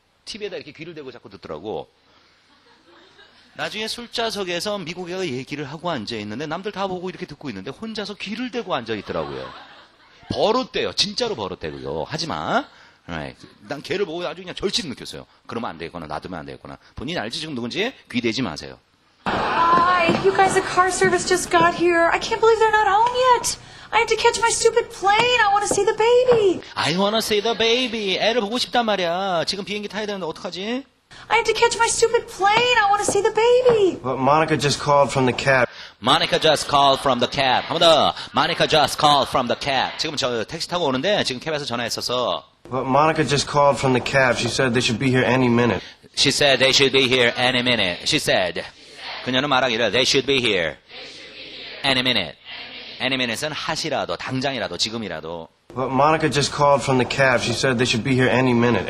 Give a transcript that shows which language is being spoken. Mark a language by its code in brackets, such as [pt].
[ko] TV에다 이렇게 귀를 대고 자꾸 듣더라고. 나중에 술자석에서 미국 애가 얘기를 하고 앉아있는데 남들 다 보고 이렇게 듣고 있는데 혼자서 귀를 대고 앉아있더라고요. 버릇대요. 진짜로 버릇대고요. 하지만 난 걔를 보고 아주 그냥 절친 느꼈어요. 그러면 안 되겠구나. 놔두면 안 되겠구나. 본인 알지 지금 누군지? 귀 대지 마세요. [en] Hi, you guys, the car service just got here. I can't believe they're not home yet. I have to catch my stupid plane. I want to see the baby. I want to see the baby. [ko] 애를 보고 싶단 말이야. 지금 비행기 타야 되는데 어떡하지? [en] I have to catch my stupid plane. I want to see the baby. But Monica just called from the cab. Monica just called from the cab. [ko] 한 번 더. [en] Monica just called from the cab. [ko] 지금 저 택시 타고 오는데 지금 캡에서 전화했었어. [en] But Monica just called from the cab. She said they should be here any minute. She said they should be here any minute. She said. [ko] 그녀는 말하기를 [en] they should be here any minute. Any minute은 [ko] 하시라도, 당장이라도, 지금이라도. [en] But Monica just called from the cab. She said they should be here any minute.